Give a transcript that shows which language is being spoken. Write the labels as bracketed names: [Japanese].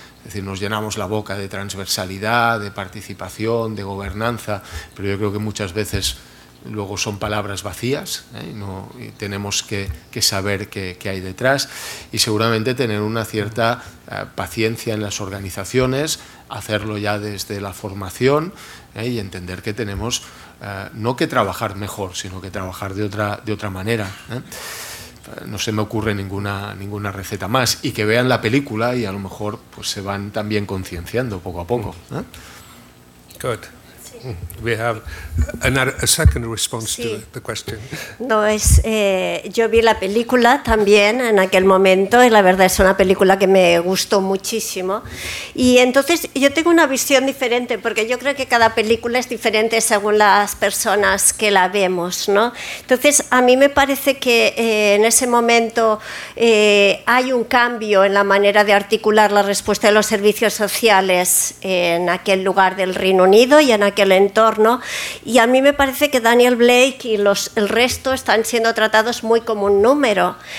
[Spanish] Es decir, nos llenamos la boca de transversalidad, de participación, de gobernanza, pero yo creo que muchas veces luego son palabras vacías, y tenemos que saber qué hay detrás, y seguramente tener una cierta paciencia en las organizaciones, hacerlo ya desde la formación, y entender que tenemos no que trabajar mejor, sino que trabajar de otra manera. No se me ocurre ninguna receta más, y que vean la película y a lo mejor pues se van también concienciando poco a poco. [English] Good. We have a second response to the question. [Spanish] No, es, yo vi la película también en aquel momento, y la verdad es una película que me gustó muchísimo. Y entonces yo tengo una visión diferente, porque yo creo que cada película es diferente según las personas que la vemos, ¿no? Entonces a mí me parece que en ese momento hay un cambio en la manera de articular la respuesta de los servicios sociales en aquel lugar del Reino Unido y en aquel entorno, y a mí me parece que Daniel Blake y el resto están siendo tratados muy como un número.